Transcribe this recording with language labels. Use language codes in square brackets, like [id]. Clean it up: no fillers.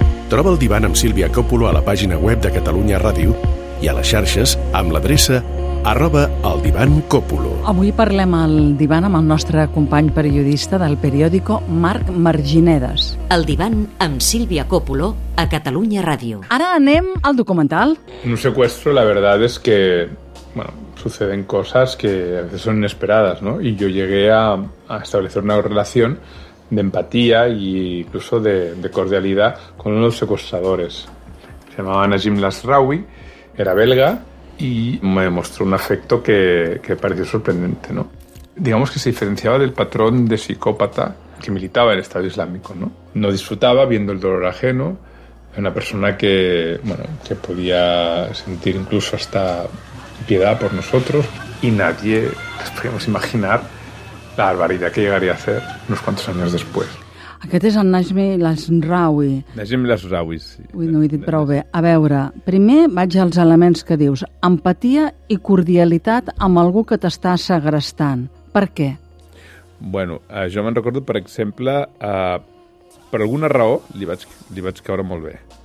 [ca] Troba el divan amb Sílvia Còpolo a la pàgina web de Catalunya Ràdio i a les xarxes amb l'adreça @eldivancopulo. Avui parlem al divan amb el nostre company periodista del periòdico, Marc Marginedes. El divan amb Sílvia Còpolo a Catalunya Ràdio. Ara anem al documental. [es] En un secuestro, la verdad es que, bueno, suceden cosas que a veces son inesperadas, ¿no? Y yo llegué a establecer una relación de empatía e incluso de cordialidad con uno de los secuestradores. Se llamaba Najim Lasraoui, era belga, y me mostró un afecto que pareció sorprendente, ¿no? Digamos que se diferenciaba del patrón de psicópata que militaba en el Estado Islámico, ¿no? No disfrutaba viendo el dolor ajeno, una persona que, bueno, que podía sentir incluso hasta piedad por nosotros, y nadie nos podíamos imaginar la barbaridad que llegaría a hacer unos cuantos años después. [ca] Aquest és el Najim Lasraoui. Najim Lasraoui, sí. Ui, no ho he dit prou bé. A veure, primer vaig als elements que dius. Empatia i cordialitat amb algú que t'està segrestant. Per què? Bueno, jo me'n recordo, per exemple, per alguna raó li vaig caure molt bé.